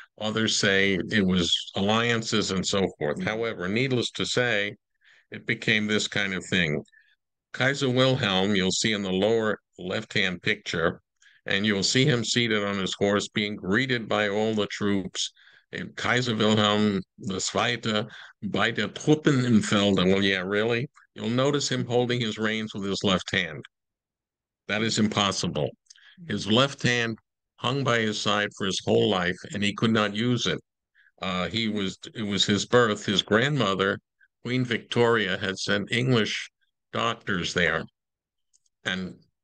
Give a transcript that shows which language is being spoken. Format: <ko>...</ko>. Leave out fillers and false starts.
<en>Others say it was alliances and so forth. However, needless to say, it became this kind of thing. Kaiser Wilhelm, you'll see in the lower left-hand picture, and you'll see him seated on his horse being greeted by all the troops.</en> <de>Kaiser Wilhelm II bei der Truppen im Felde.</de> <en>Well, yeah, really? You'll notice him holding his reins with his left hand. That is impossible. His left hand hung by his side for his whole life, and he could not use it. It was his birth. His grandmother, Queen Victoria, had sent English doctors there. And</en>